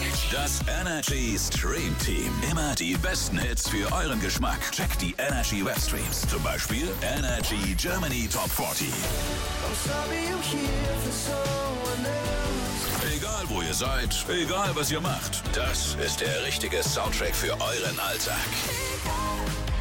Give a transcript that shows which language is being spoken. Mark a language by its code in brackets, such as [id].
[de] Das Energy Stream Team. Immer die besten Hits für euren Geschmack. Checkt die Energy Webstreams. Zum Beispiel Energy Germany Top 40. [en] I'm sorry I'm here for someone else. [de] Egal wo ihr seid, egal was ihr macht, das ist der richtige Soundtrack für euren Alltag.